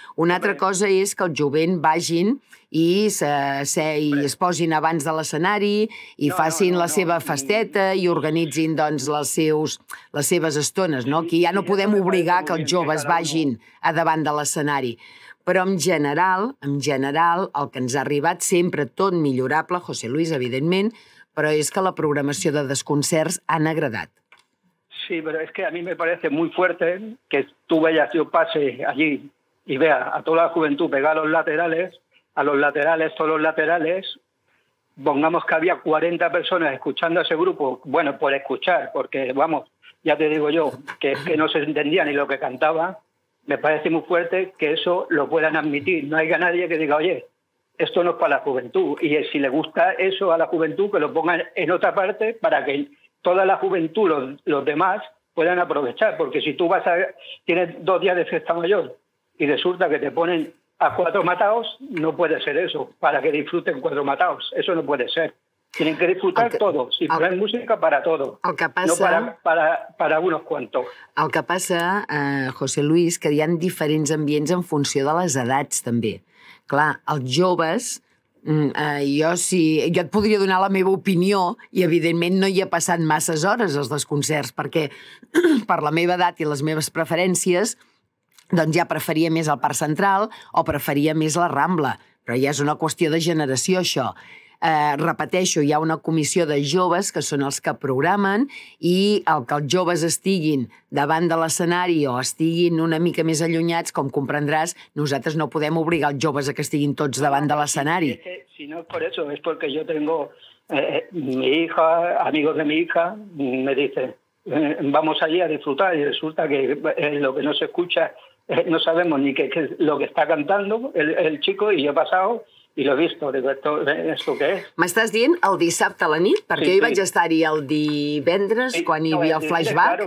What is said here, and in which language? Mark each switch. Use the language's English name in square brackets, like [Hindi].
[Catalan] Una altra cosa és que el jovent vagin i es posin abans de l'escenari i facin la seva festeta i organitzin doncs, les seves estones. No? Aquí ja no podem obligar que els joves vagin a davant de l'escenari. Però en general, el que ens ha arribat sempre tot millorable, José Luis, evidentment, però és que la programació de desconcerts han agradat. [Spanish] Sí, pero es que a mí me parece muy fuerte que tú veas, yo pase allí y vea a toda la juventud pegada a los laterales, todos los laterales. Pongamos que había 40 personas escuchando a ese grupo, bueno, por escuchar, porque vamos, ya te digo yo, que es que no se entendía ni lo que cantaba. Me parece muy fuerte que eso lo puedan admitir. No haya nadie que diga, oye, esto no es para la juventud. Y si le gusta eso a la juventud, que lo pongan en otra parte para que toda la juventud, los demás, puedan aprovechar. Porque si tú vas a... Tienes dos días de fiesta mayor y resulta que te ponen a cuatro mataos, no puede ser eso, para que disfruten cuatro mataos. Eso no puede ser. Tienen que disfrutar todos y poner música para todos. [Catalan] El que passa, [Spanish] no para unos cuantos. [Catalan] El que passa, José Luis, que hi ha diferents ambients en funció de les edats, també. Clar, els joves... Jo et podria donar la meva opinió i evidentment no hi ha passat masses hores els desconcerts perquè per la meva edat i les meves preferències doncs ja preferia més el Parc Central o preferia més la Rambla, però ja és una qüestió de generació això. Repeteixo, hi ha una comissió de joves que són els que programen i el que els joves estiguin davant de l'escenari o estiguin una mica més allunyats, com comprendràs, nosaltres no podem obligar els joves a que estiguin tots davant de l'escenari. [Spanish] Si no es por eso, es porque yo tengo mi hija, amigos de mi hija, me dicen vamos allí a disfrutar y resulta que lo que no se escucha, no sabemos ni qué es lo que está cantando el chico y yo he pasado... [Catalan] I l'he vist, és el que és. M'estàs dient el dissabte a la nit? Perquè sí, sí. Jo vaig estar-hi el divendres, sí, quan hi havia el flashback,